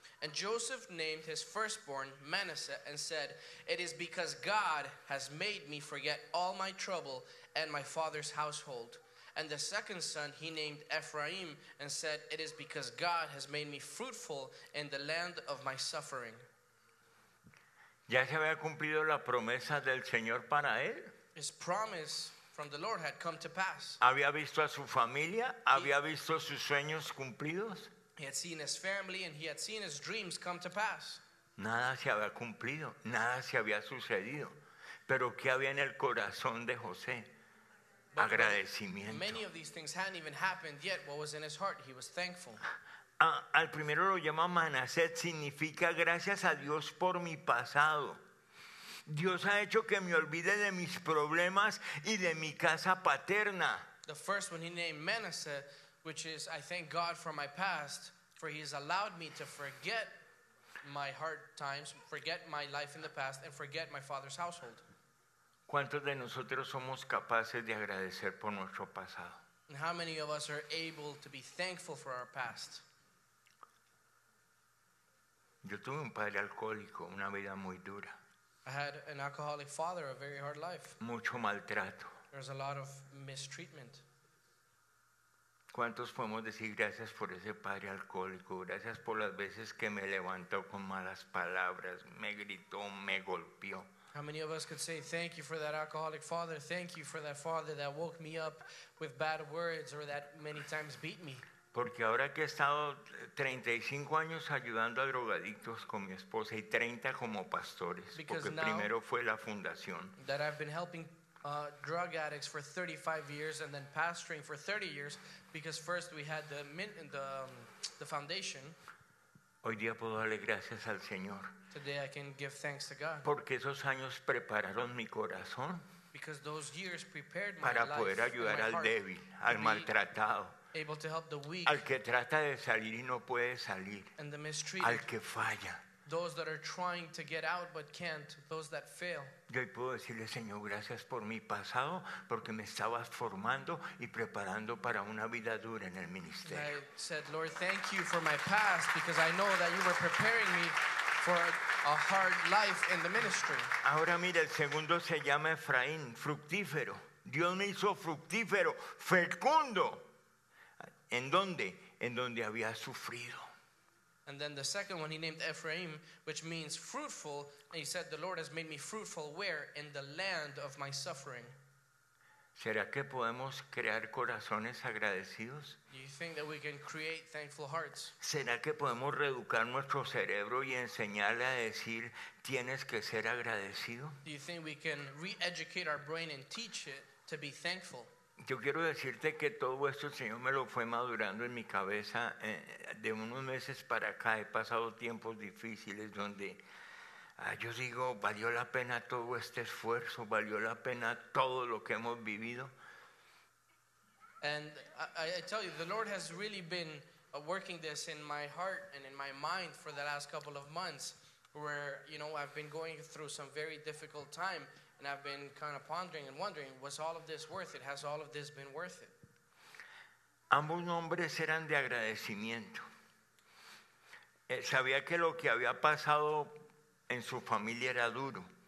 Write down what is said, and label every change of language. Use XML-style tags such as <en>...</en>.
<en>And Joseph named his firstborn Manasseh and said, it is because God has made me forget all my trouble and my father's household. And the second son he named Ephraim and said, it is because God has made me fruitful in the land of my suffering.</en> <es>¿Ya se había cumplido la promesa del Señor para él?</es> <en>His promise from the Lord had come to pass.</en> <es>Había visto a su familia, había visto sus sueños cumplidos.</es> <en>He had seen his family and he had seen his dreams come to pass.</en> <es>Nada se había cumplido, nada se había sucedido. Pero ¿qué había en el corazón de José?</es> <en>But</en> <es>agradecimiento.</es> <en>Many of these things hadn't even happened yet. What was in his heart? He was thankful.</en> <es>Al primero lo llama Manasés, significa gracias a Dios por mi pasado. Dios ha hecho que me olvide de mis problemas y de mi casa paterna.</es> <en>The first one he named Manasseh, which is I thank God for my past, for he has allowed me to forget my hard times, forget my life in the past, and forget my father's household.</en> <es>¿Cuántos de nosotros somos capaces de agradecer por nuestro pasado?</es> <en>And how many of us are able to be thankful for our past?</en> <es>Yo tuve un padre alcohólico, una vida muy dura.</es> <en>I had an alcoholic father, a very hard life.</en> <es>Mucho maltrato.</es> <en>There was a lot of mistreatment.</en> <es>¿Cuántos podemos decir gracias por ese padre alcohólico? Gracias por las veces que me levantó con malas palabras, me gritó, me golpeó.</es> <en>How many of us could say thank you for that alcoholic father? Thank you for that father that woke me up with bad words or that many times beat me.</en> <es>Porque ahora que he estado 35 años ayudando a drogadictos con mi esposa y 30 como pastores, porque primero fue la fundación.</es> <en>That I've been helping drug addicts for 35 years and then pastoring for 30 years because first we had the foundation.</en> <es>Hoy día puedo darle gracias al Señor.</es> <en>Today I can give thanks to God.</en> <es>Porque esos años prepararon mi corazón.</es> <en>Because those years prepared my</en> <es>para</es> <en>life</en> <es>poder ayudar</es> <en>and my</en> <es>al débil, al maltratado.</es> <en>Able to help the weak,</en> <es>al que trata de salir y no puede salir,</es> <en>and the mistreated,</en> <es>al que falla,</es> <en>those that are trying to get out but can't, those that fail.</en> <es>Yo puedo decirle, Señor, gracias por mi pasado, porque me estabas formando y preparando para una vida dura en el ministerio.</es> <en>And I said, Lord, thank you for my past because I know that you were preparing me for a hard life in the ministry.</en> <es>Ahora mira, el segundo se llama Efraín, fructífero. Dios me hizo fructífero, fecundo. ¿En dónde? En donde había sufrido.</es> <en>And then the second one he named Ephraim, which means fruitful. And he said, the Lord has made me fruitful where? In the land of my suffering.</en> <es>¿Será que podemos crear corazones agradecidos?</es> <en>Do you think that we can create thankful hearts?</en> <es>¿Será que podemos reeducar nuestro cerebro y enseñarle a decir, tienes que ser agradecido?</es> <en>Do you think we can re-educate our brain and teach it to be thankful?</en> <es>Yo quiero decirte que todo esto el Señor me lo fue madurando en mi cabeza de unos meses para acá. He pasado tiempos difíciles donde yo digo, valió la pena todo este esfuerzo, valió la pena todo lo que hemos vivido.</es> <en>And I tell you, the Lord has really been working this in my heart and in my mind for the last couple of months where, you know, I've been going through some very difficult time. And I've been kind of pondering and wondering, was all of this worth it? Has all of this been worth it?</en> <es>Ambos nombres eran de agradecimiento. Sabía que lo que había pasado en su familia era duro.</es>